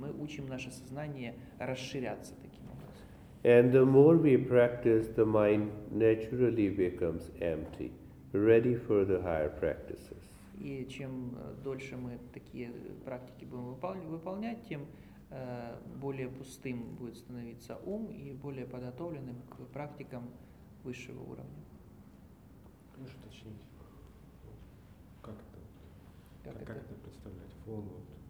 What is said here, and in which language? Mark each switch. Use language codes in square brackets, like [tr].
[ru] Мы учим наше сознание расширяться таким образом. [en] And the more we practice, the mind naturally becomes empty. Ready for the higher practices. [ru] И чем дольше мы такие практики будем выполнять, тем более пустым будет становиться ум и более подготовленным к практикам высшего уровня. Можешь уточнить, как это представлять фон вот?